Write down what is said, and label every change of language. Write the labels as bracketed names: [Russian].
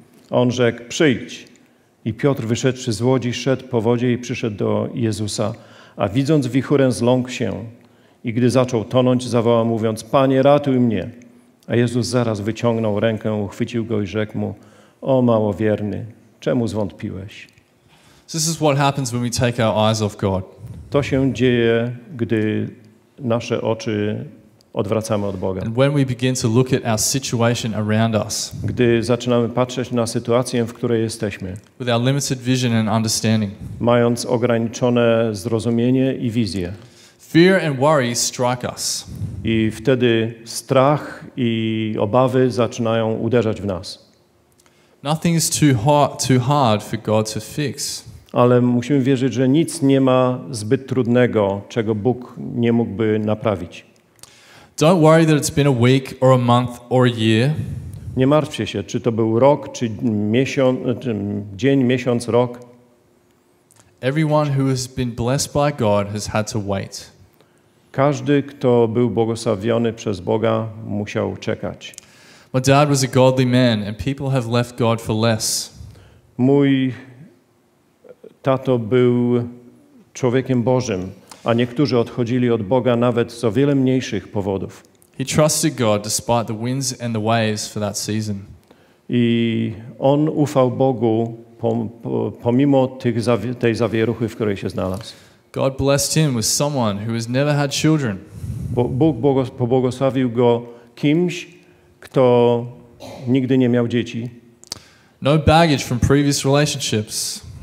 [Polish] On rzekł, przyjdź. I Piotr wyszedłszy z łodzi, szedł po wodzie i przyszedł do Jezusa. A widząc wichurę, zląkł się. I gdy zaczął tonąć, zawołał mówiąc, Panie, ratuj mnie. A Jezus zaraz wyciągnął rękę, uchwycił go i rzekł mu, o małowierny, Czemu zwątpiłeś? [English] This is what happens when we take our eyes off God. [Polish] To się dzieje, gdy nasze oczy odwracamy od Boga. [English] And when we begin to look at our situation around us. [Polish] Gdy zaczynamy patrzeć na sytuację, w której jesteśmy. [English] With our limited vision and understanding. [Polish] Mając ograniczone zrozumienie i wizję. [English] Fear and worry strike us. [Polish] I wtedy strach i obawy zaczynają uderzać w nas. [English] Nothing is too hard for God to fix. [Polish] Ale musimy wierzyć, że nic nie ma zbyt trudnego, czego Bóg nie mógłby naprawić. [English] Don't worry that it's been a week or a month or a year. [Polish] Nie martwcie się, czy to był rok, czy miesiąc, czy dzień, miesiąc, rok. [English] Everyone who has been blessed by God has had to wait. [Polish] Każdy, kto był błogosławiony przez Boga, musiał czekać. [English] My dad was a godly man and people have left God for less. [Polish] Mój tato był człowiekiem Bożym, a niektórzy odchodzili od Boga nawet z o wiele mniejszych powodów. [English] He trusted God despite the winds and the waves for that season. [Polish] I on ufał Bogu pomimo tej zawieruchy, w której się znalazł. [English] God blessed him with someone who has never had children. [Polish] Bóg pobłogosławił go kimś, kto nigdy nie miał dzieci. [English] No baggage from previous relationships.